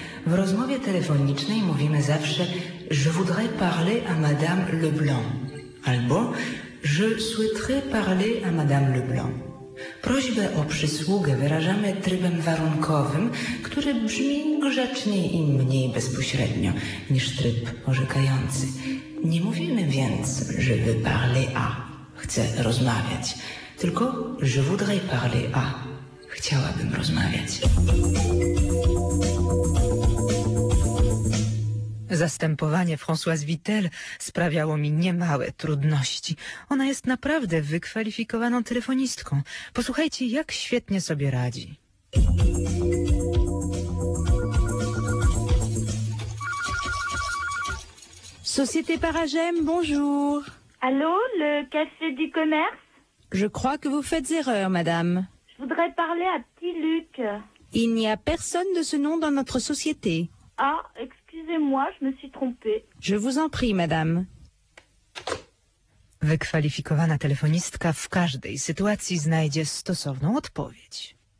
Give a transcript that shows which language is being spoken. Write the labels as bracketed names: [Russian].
[Polish] W rozmowie telefonicznej mówimy zawsze [French] je voudrais parler à madame Leblanc. Albo je souhaiterais parler à madame Leblanc. [Polish] Prośbę o przysługę wyrażamy trybem warunkowym, który brzmi grzeczniej i mniej bezpośrednio niż tryb orzekający. Nie mówimy więc, żeby [French] parler à, [Polish] chcę rozmawiać, tylko [French] je voudrais parler à, [Polish] chciałabym rozmawiać. Zastępowanie Françoise Vitel sprawiało mi niemałe trudności. Ona jest naprawdę wykwalifikowaną telefonistką. Posłuchajcie, jak świetnie sobie radzi. [French] Société Paragem, bonjour. Allô, le café du commerce? Je crois que vous faites erreur, madame. Je voudrais parler à petit Luc. Il n'y a personne de ce nom dans notre société. Ah, excusez-moi, je me suis trompée. Je vous en prie, madame. [Polish] Wykwalifikowana telefonistka w każdej sytuacji znajdzie stosowną odpowiedź.